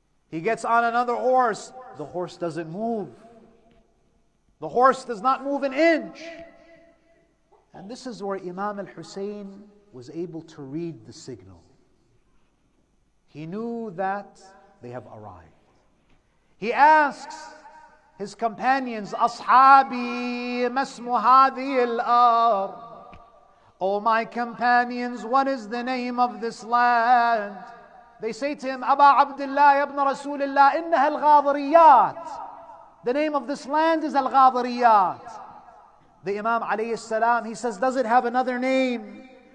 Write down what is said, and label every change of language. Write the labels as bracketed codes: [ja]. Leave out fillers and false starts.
[en] He gets on another horse. The horse doesn't move. The horse does not move an inch. And this is where Imam al-Husayn was able to read the signal. He knew that they have arrived. He asks, his companions, [ar] Ashabi, ما اسم هذه الأرض. [en] O my companions, what is the name of this land? They say to him, Aba Abdullah ibn Rasulullah, [ar] إنها الغاضريات. [en] The name of this land is Al-Ghadiriyat. The Imam alayhi salam, he says, does it have another name?